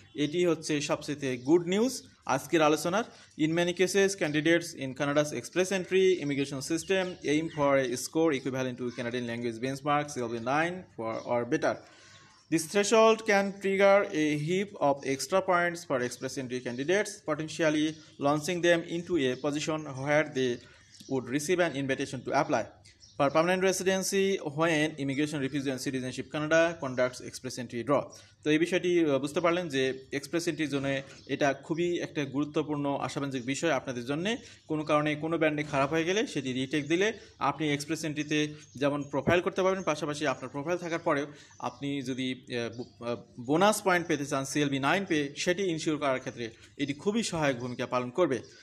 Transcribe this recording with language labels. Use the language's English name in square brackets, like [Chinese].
[Bangla] এটি হচ্ছে সবচেয়ে গুড নিউজ আজকের আলোচনার। [English] In many cases candidates in Canada's express entry immigration system aim for a score equivalent to Canadian language benchmark CLB 9 for or better, this threshold can trigger a heap of extra points for express entry candidates, potentially launching them into a position where they would receive an invitation to apply for permanent residency when immigration refuses and citizenship Canada conducts express entry draw. [Bangla] তো এই বিষয়টি বুঝতে পারলেন যে express এন্ট্রির জন্য এটা খুবই একটা গুরুত্বপূর্ণ আশাবাঞ্জিক বিষয় আপনাদের জন্য। কোনো কারণে কোনো ব্যান্ডে খারাপ হয়ে গেলে সেটি রিটেক দিলে আপনি এক্সপ্রেস এন্ট্রিতে যেমন প্রোফাইল করতে পারবেন, পাশাপাশি আপনার প্রোফাইল থাকার পরেও আপনি যদি বোনাস পয়েন্ট পেতে চান সিএলবি নাইন পেয়ে সেটি ইনশিওর করার ক্ষেত্রে এটি খুবই সহায়ক ভূমিকা পালন করবে।